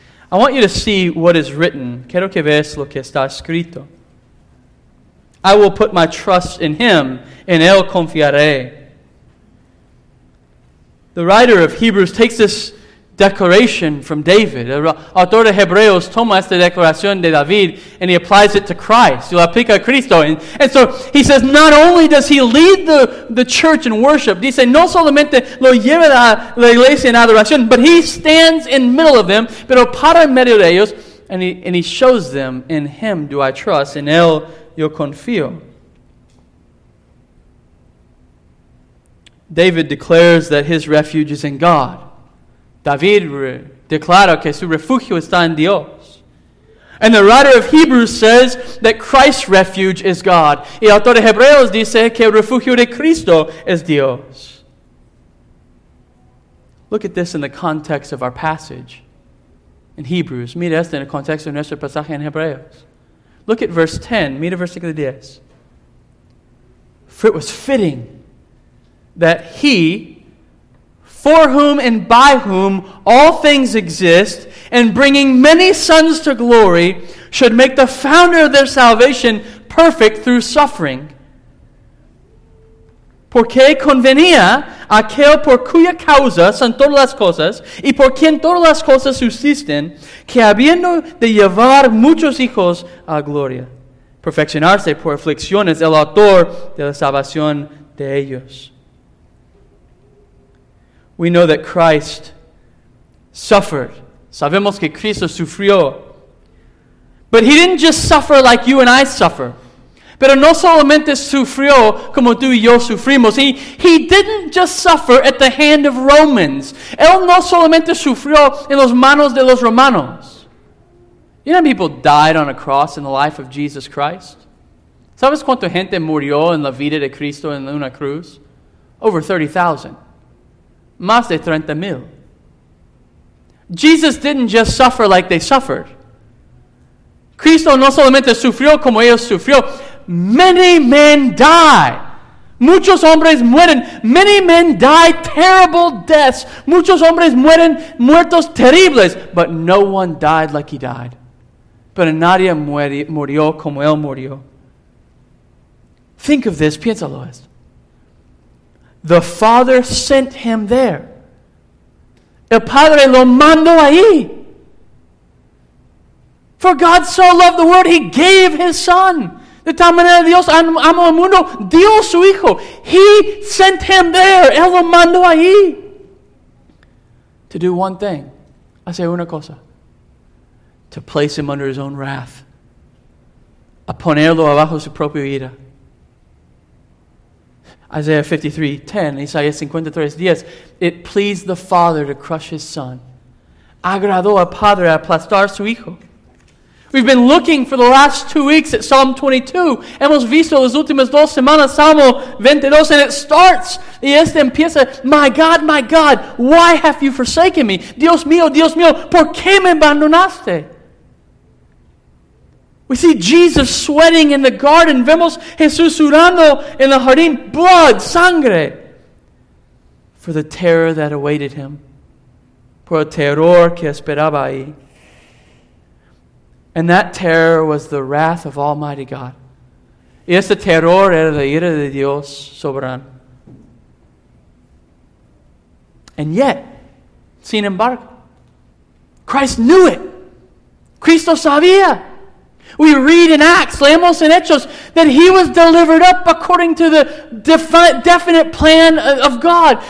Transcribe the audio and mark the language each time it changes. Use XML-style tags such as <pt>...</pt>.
<en>I want you to see what is written.</en> <es>Quiero que veas lo que está escrito.</es> <en>I will put my trust in him.</en> <es>En él confiaré.</es> <en>The writer of Hebrews takes this declaration from David.</en> <es>El autor de Hebreos toma esta declaración de David</es> <en>and he applies it to Christ.</en> <es>Lo aplica a Cristo.</es> <en>And so he says, not only does he lead the church in worship,</en> <es>dice, no solamente lo lleva a la iglesia en adoración,</es> <en>but he stands in middle of them,</en> <es>pero para en medio de ellos,</es> <en>and he shows them, in him do I trust, in</en> <es>él yo confío.</es> <en>David declares that his refuge is in God.</en> <es>David declara que su refugio está en Dios.</es> <en>And the writer of Hebrews says that Christ's refuge is God.</en> <es>Y el autor de Hebreos dice que el refugio de Cristo es Dios.</es> <en>Look at this in the context of our passage in Hebrews.</en> <es>Mira esto en el contexto de nuestro pasaje en Hebreos.</es> <en>Look at verse 10.</en> <es>Mira versículo 10.</es> <en>For it was fitting that he, for whom and by whom all things exist, and bringing many sons to glory, should make the founder of their salvation perfect through suffering.</en> <es>Porque convenía aquel por cuya causa son todas las cosas, y por quien todas las cosas subsisten, que habiendo de llevar muchos hijos a gloria, perfeccionarse por aflicciones el autor de la salvación de ellos.</es> <en>We know that Christ suffered.</en> <es>Sabemos que Cristo sufrió.</es> <en>But he didn't just suffer like you and I suffer.</en> <es>Pero no solamente sufrió como tú y yo sufrimos.</es> <en>He didn't just suffer at the hand of Romans.</en> <es>Él no solamente sufrió en las manos de los romanos.</es> <en>You know how people died on a cross in the life of Jesus Christ?</en> <es>¿Sabes cuánta gente murió en la vida de Cristo en una cruz?</es> <en>Over 30,000.</en> <es>Más de 30,000.</es> <en>Jesus didn't just suffer like they suffered.</en> <es>Cristo no solamente sufrió como ellos sufrió.</es> <en>Many men die.</en> <es>Muchos hombres mueren.</es> <en>Many men die terrible deaths.</en> <es>Muchos hombres mueren muertos terribles.</es> <en>But no one died like he died.</en> <es>Pero nadie murió como él murió.</es> <en>Think of this.</en> <es>Piénsalo esto.</es> <en>The Father sent him there.</en> <es>El Padre lo mandó ahí.</es> <en>For God so loved the world, he gave his Son.</en> <es>De tal manera Dios amó al mundo, dio su Hijo.</es> <en>He sent him there.</en> <es>Él lo mandó ahí.</es> <en>to do one thing.</en> <es>Hacer una cosa.</es> <en>To place him under his own wrath.</en> <es>A ponerlo abajo su propia ira.</es> <en>Isaiah 53:10, Isaiah 53:10. It pleased the Father to crush his son.</en> <es>Agradó al Padre aplastar su hijo.</es> <en>We've been looking for the last 2 weeks at Psalm 22.</en> <es>Hemos visto las últimas dos semanas, Salmo 22,</es> <en>and it starts.</en> <es>Y este empieza,</es> <en>my God, why have you forsaken me?</en> <es>Dios mío, ¿por qué me abandonaste?</es> <en>We see Jesus sweating in the garden.</en> <es>Vemos Jesús sudando en el jardín,</es> <en>blood,</en> <es>sangre.</es> <en>For the terror that awaited him.</en> <es>Por el terror que esperaba ahí.</es> <en>And that terror was the wrath of Almighty God.</en> <es>Y ese terror era la ira de Dios soberano.</es> <en>And yet,</en> <es>sin embargo,</es> <en>Christ knew it.</en> <es>Cristo sabía.</es> <en>We read in Acts,</en> <es>leemos en Hechos,</es> <en>that he was delivered up according to the definite plan of God.</en>